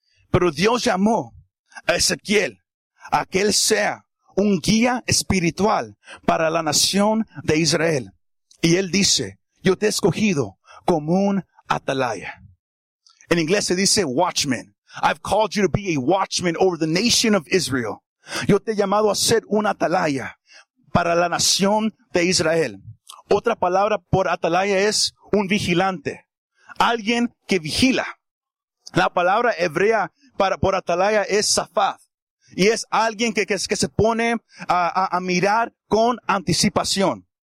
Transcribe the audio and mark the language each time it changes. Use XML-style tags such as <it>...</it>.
<es>Pero Dios llamó a Ezequiel a que él sea un guía espiritual para la nación de Israel. Y él dice, yo te he escogido como un atalaya. En inglés se dice watchman.</es> <en>I've called you to be a watchman over the nation of Israel.</en> <es>Yo te he llamado a ser un atalaya para la nación de Israel. Otra palabra por atalaya es un vigilante. Alguien que vigila. La palabra hebrea por atalaya es safad. Y es alguien que se pone a mirar con anticipación.</es>